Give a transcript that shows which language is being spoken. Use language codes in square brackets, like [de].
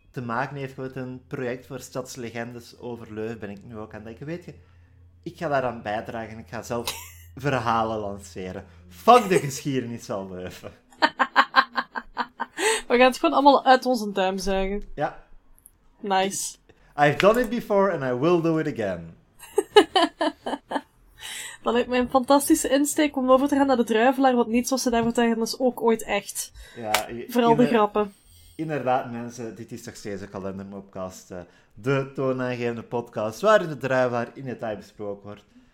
[nl] te maken heeft met een project voor stadslegendes over Leuven, ben ik nu ook aan het denken. Weet je, ik ga daaraan bijdragen en ik ga zelf verhalen lanceren. Fuck de geschiedenis van Leuven. We gaan het gewoon allemaal uit onze duim zuigen. Ja. Nice. [en] I've done it before and I will do it again. [nl] Dat lijkt mij een fantastische insteek om over te gaan naar de Druivelaar, want niet zoals ze daar vertellen, is ook ooit echt. Ja, vooral de grappen. Inderdaad, mensen, dit is toch steeds een kalendermopcast, de toonaangevende podcast waarin de Druivelaar in detail besproken wordt.